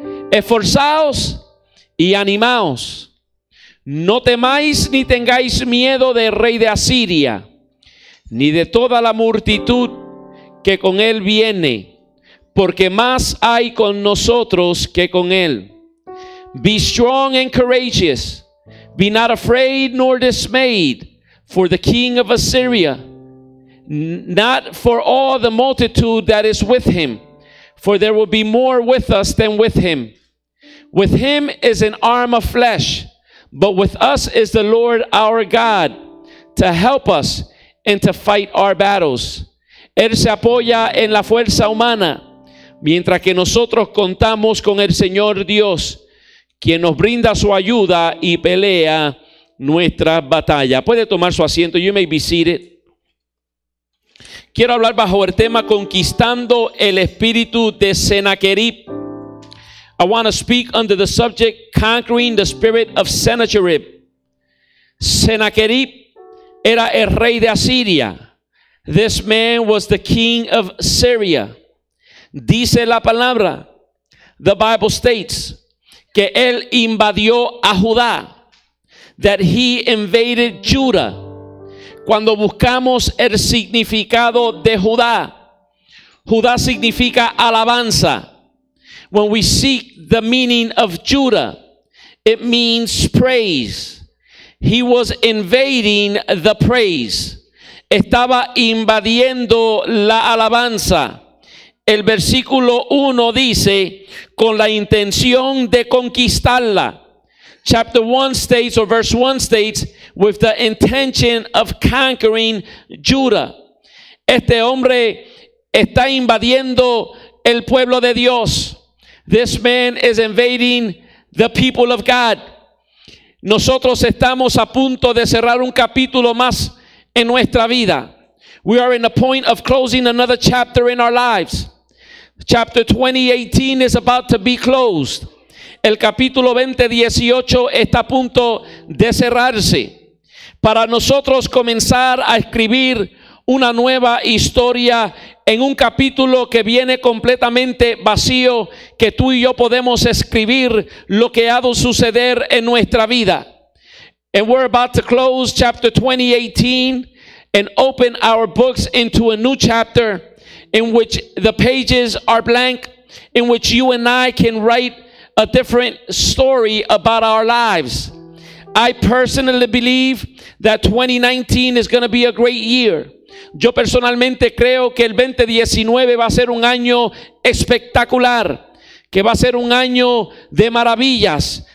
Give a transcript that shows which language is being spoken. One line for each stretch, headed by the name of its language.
Spanish: Esforzaos y animaos. No temáis ni tengáis miedo del rey de Asiria, ni de toda la multitud que con él viene, porque más hay con nosotros que con él.
English: Be strong and courageous. Be not afraid nor dismayed, for the king of Assyria, not for all the multitude that is with him, for there will be more with us than with him. With him is an arm of flesh, but with us is the Lord our God to help us and to fight our battles.
Spanish: Él se apoya en la fuerza humana, mientras que nosotros contamos con el Señor Dios, quien nos brinda su ayuda y pelea nuestra batalla. Puede tomar su asiento.
English: You may be seated.
Spanish: Quiero hablar bajo el tema conquistando el espíritu de Sennacherib.
English: I want to speak under the subject conquering the spirit of Sennacherib.
Spanish: Sennacherib era el rey de Asiria.
English: This man was the king of Syria.
Spanish: Dice la palabra,
English: the Bible states,
Spanish: que él invadió a Judá.
English: That he invaded Judah.
Spanish: Cuando buscamos el significado de Judá, Judá significa alabanza.
English: When we seek the meaning of Judah, it means praise. He was invading the praise.
Spanish: Estaba invadiendo la alabanza. El versículo 1 dice, con la intención de conquistarla.
English: Chapter 1 states, or verse 1 states, with the intention of conquering Judah.
Spanish: Este hombre está invadiendo el pueblo de Dios.
English: This man is invading the people of God.
Spanish: Nosotros estamos a punto de cerrar un capítulo más en nuestra vida.
English: We are in the point of closing another chapter in our lives. Chapter 2018 is about to be closed.
Spanish: El capítulo 2018 está a punto de cerrarse. Para nosotros comenzar a escribir una nueva historia en un capítulo que viene completamente vacío, que tú y yo podemos escribir lo que ha de suceder en nuestra vida.
English: And we're about to close chapter 2018 and open our books into a new chapter in which the pages are blank, in which you and I can write a different story about our lives. I personally believe that 2019 is going to be a great year.
Spanish: Yo personalmente creo que el 2019 va a ser un año espectacular, que va a ser un año de maravillas.